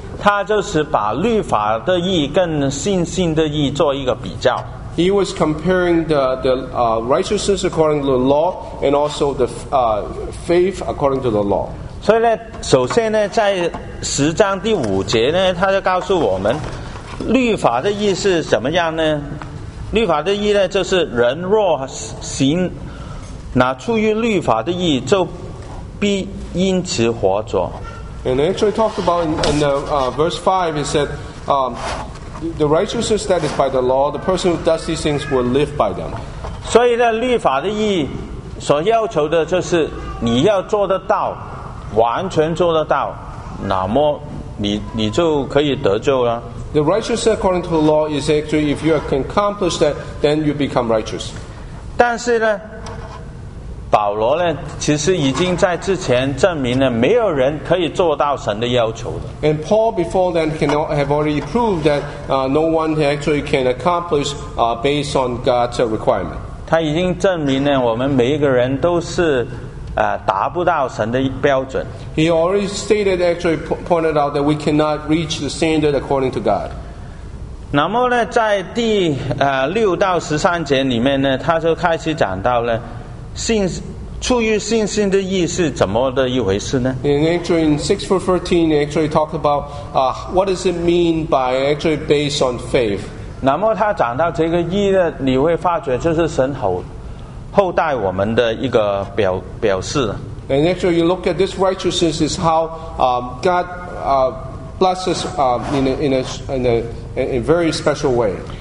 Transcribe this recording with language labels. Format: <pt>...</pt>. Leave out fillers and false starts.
<zh>他就是把律法的义跟信心的义做一个比较。</zh> <en>He was comparing the righteousness according to the law and also the faith according to the law.</en> <zh>所以呢，首先呢，在十章第五节呢，他就告诉我们，律法的义是怎么样呢？律法的义呢，就是人若行那出于律法的义，就必因此活着。</zh> <en>And actually talked about in verse 5, it said, the righteousness that is by the law, the person who does these things will live by them.</en> <zh>所以呢，律法的义所要求的就是你要做得到。完全做得到，那么你就可以得救了。</zh> <en>The righteousness according to the law is actually if you can accomplish that, then you become righteous.</en> <zh>但是呢，保罗呢，其实已经在之前证明了没有人可以做到神的要求的。</zh> <en>And Paul before then have already proved that no one actually can accomplish based on God's requirement.</en> <zh>他已经证明了我们每一个人都是。达不到神的标准。</zh> <en>He already stated, actually pointed out that we cannot reach the standard according to God.</en> <zh>那么呢，在第六到十三节里面呢，他就开始讲到呢，出于信心的义是怎么的一回事呢</zh> <en>？In actually, in 6-13, he actually talked about what does it mean by actually based on faith.</en> <zh>那么他讲到这个义呢，你会发觉就是神厚。厚待我们的一个表示。</zh> <en>And actually, you look at this righteousness is how God blesses in a very special way.</en>